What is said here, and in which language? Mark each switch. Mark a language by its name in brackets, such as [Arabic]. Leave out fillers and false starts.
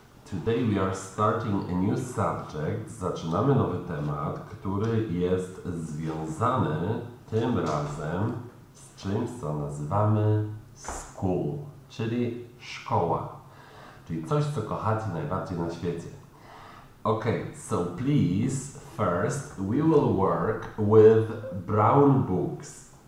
[English] Today we are starting a new subject. [Polish] Zaczynamy nowy temat, który jest związany tym razem z czymś, co nazywamy school, czyli szkoła. Czyli coś, co kochacie najbardziej na świecie. [English] Okay, so please, first we will work with brown books.